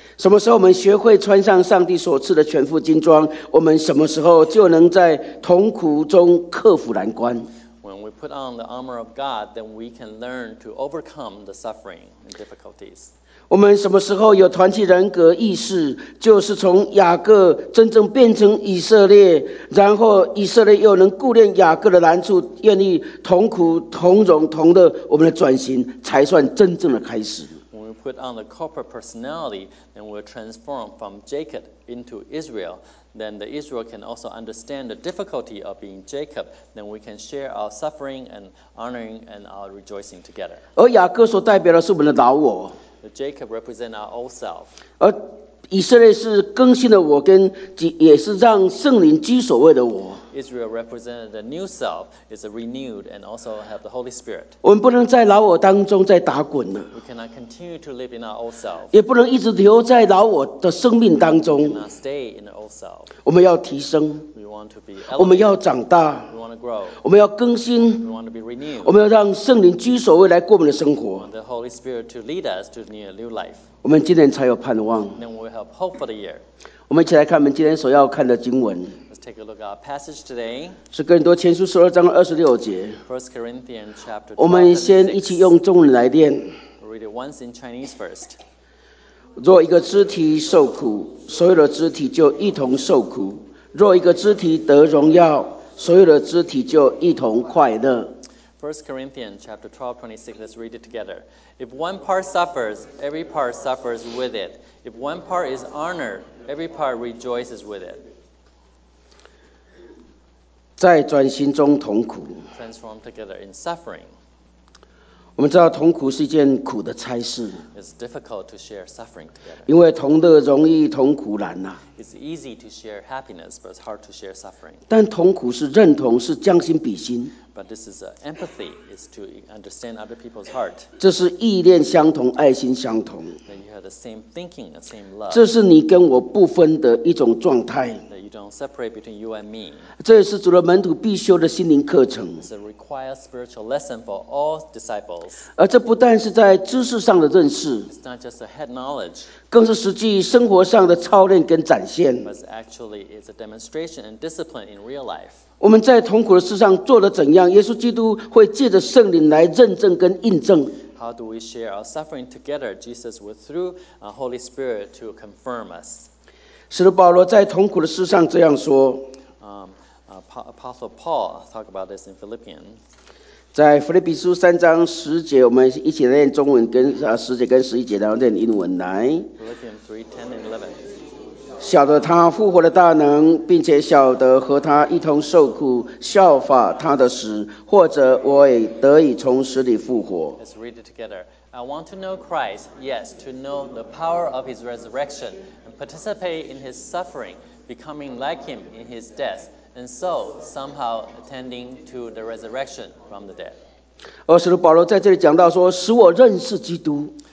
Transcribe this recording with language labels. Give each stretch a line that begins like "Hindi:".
Chinese: 什么时候我们学会穿上上帝所赐的全副军装，我们什么时候就能在痛苦中克服难关。
English: When we put on the armor of God, then we can learn to overcome the suffering and difficulties.
Chinese: 我们什么时候有团契人格意识，就是从雅各真正变成以色列，然后以色列又能顾念雅各的难处，愿意同苦同荣同乐，我们的转型才算真正的开始。
English: Put on the corporate personality, then we'll transform from Jacob into Israel. Then the Israel can also understand the difficulty of being Jacob. Then we can share our suffering and honoring and our rejoicing together.
Chinese: 而雅各所代表的是我们的老我。
English: Jacob represents our old self.
Chinese: 而以色列是更新的我，跟也是让圣灵居所位的我。
English: Israel represents the new self, is renewed and also have the Holy Spirit.
Chinese: 我们不能在老我当中再打滚了。
English: We cannot continue to live in our old self.
Chinese: 也不能一直留在老我的生命当中。
English: We cannot stay in the old self.
Chinese: 我们要提升。
English: We want to be elevated.
Chinese: 我们要长大。
English: We want to grow.
Chinese: 我们要更新。
English: We want to be renewed.
Chinese: 我们要让圣灵居所位来过我们的生活。
English: We want the Holy Spirit to lead us to a new life.
Chinese: 我们今年才有盼望。
English: Then we have hope for the year.
Chinese: 我们一起来看我们今天所要看的经文。
English: Take a look at our passage today.
Chinese: 是哥林多前书十二章二十六节。
English: First Corinthians chapter
Chinese: 12. 我们先一起用中文来念。
English: Read it once in Chinese first.
Chinese: 若一个肢体受苦，所有的肢体就一同受苦；若一个肢体得荣耀，所有的肢体就一同快乐。
English: First Corinthians chapter 12:26. Let's read it together. If one part suffers, every part suffers with it. If one part is honored, every part rejoices with it.
Chinese: 在专心中同苦。
English: Transform together in suffering.
Chinese: 我们知道同苦是一件苦的差事。
English: It's difficult to share suffering together.
Chinese: 因为同乐容易，同苦难呐。
English: It's easy to share happiness, but it's hard to share suffering.
Chinese: 但同苦是认同，是将心比心。
English: But this is empathy, is to understand other people's heart.
Chinese: 这是意念相同，爱心相同。
English: Then you have the same thinking, the same love.
Chinese: 这是你跟我不分的一种状态。
English: Don't separate between you and me.
Chinese: 这也是主的门徒必修的心灵课程。
English: It's a required spiritual lesson for all disciples.
Chinese: 而这不但是在知识上的认识，
English: It's not just a head knowledge.
Chinese: 更是实际生活上的操练跟展现。
English: But actually, it's a demonstration and discipline in real life.
Chinese: 我们在痛苦的事上做得怎样，耶稣基督会借着圣灵来认证跟印证。
English: How do we share our suffering together? Jesus will through the Holy Spirit to confirm us.
Chinese: 使徒保罗在痛苦的事上这样说。
English: Apostle Paul talk about this in Philippians.
Chinese: 在腓立比书三章十节，我们一起念中文跟十节跟十一节，然后念英文来。
English: Philippians 3:10-11.
Chinese: 晓得他复活的大能，并且晓得和他一同受苦，效法他的死，或者我也得以从死里复活。
English: Let's read it together. I want to know Christ, yes, to know the power of his resurrection. Participate in his suffering, becoming like him in his death, and so somehow attending to the resurrection from the dead.
Chinese: 使徒保罗在这里讲到说，使我认识基督。